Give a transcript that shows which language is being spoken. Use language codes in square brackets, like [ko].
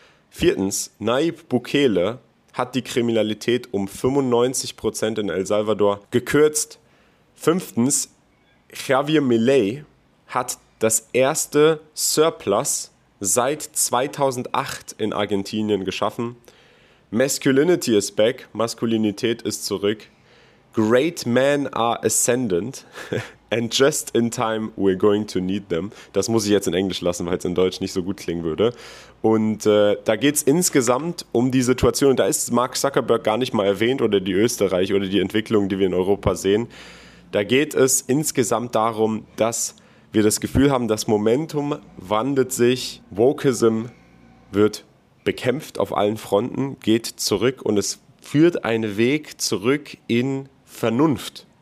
[de] Viertens, Nayib Bukele hat die Kriminalität um 95% in El Salvador gekürzt. Fünftens, Javier Milei hat das erste Surplus seit 2008 in Argentinien geschaffen. [en] Masculinity is back, [de] Maskulinität ist zurück. [en] Great men are ascendant and just in time we're going to need them. [de] Das muss ich jetzt in Englisch lassen, weil es in Deutsch nicht so gut klingen würde. Und da geht es insgesamt um die Situation, da ist Mark Zuckerberg gar nicht mal erwähnt oder die Österreich oder die Entwicklung, die wir in Europa sehen. Da geht es insgesamt darum, dass wir das Gefühl haben, das Momentum wandelt sich, Wokeism wird bekämpft auf allen Fronten, geht zurück und es führt einen Weg zurück in Vernunft.